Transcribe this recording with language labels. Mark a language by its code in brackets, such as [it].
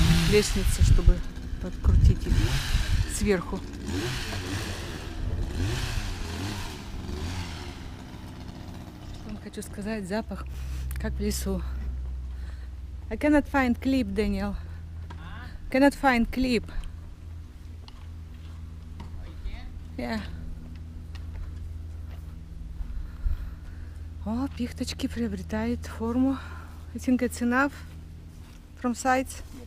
[ru] Лестница, чтобы подкрутить их сверху. Вам хочу сказать, запах как в лесу. [en] I cannot find clip, Daniel. Cannot find clip. Yeah. [ru] О, пихточки приобретают форму. [en] I think it's enough from sides.